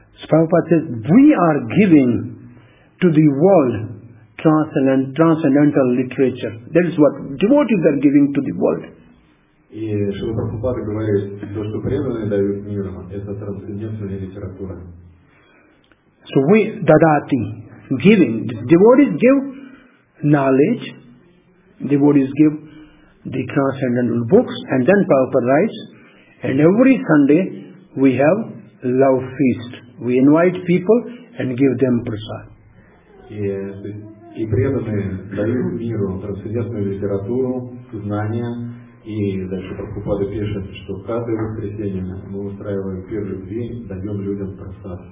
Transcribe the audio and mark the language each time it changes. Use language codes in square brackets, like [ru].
[en] Prabhupada says, we are giving to the world transcendental literature. That is what devotees are giving to the world. [ru] И Шрила Прабхупада говорит, то, что преданные дают миру, это трансцендентная литература. [en] So we dadati, giving. Devotees give knowledge. Devotees give the transcendental books, and then Prabhupada writes. And every Sunday we have love feast. We invite people and give them prasad. [ru] И преданные дают миру трансцендентную литературу, знания. И дальше Прабхупада пишет, что каждое воскресенье мы устраиваем пир любви, даем людям просад.